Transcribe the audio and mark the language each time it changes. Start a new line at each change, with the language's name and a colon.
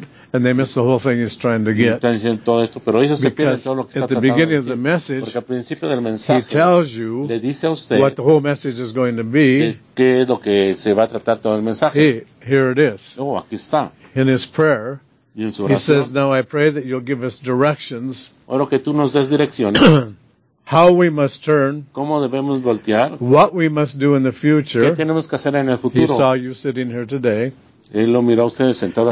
English: And they miss the whole thing he's trying to get. Because at the beginning of the message,
Spanish: al principio del mensaje,
English: he tells you
Spanish: le dice a usted
English: what the whole message is going to be.
Spanish: Que es lo que se va a tratar todo el mensaje.
English: Here it is.
Spanish: Oh, aquí está.
English: In his prayer,
Spanish: y en su oración,
English: he says, now I pray that you'll give us directions.
Spanish: Oro que tú nos des direcciones.
English: How we must turn.
Spanish: ¿Cómo debemos voltear?
English: What we must do in the future.
Spanish: ¿Qué tenemos que hacer en el futuro?
English: He saw you sitting here today.
Spanish: Él lo miró a usted sentado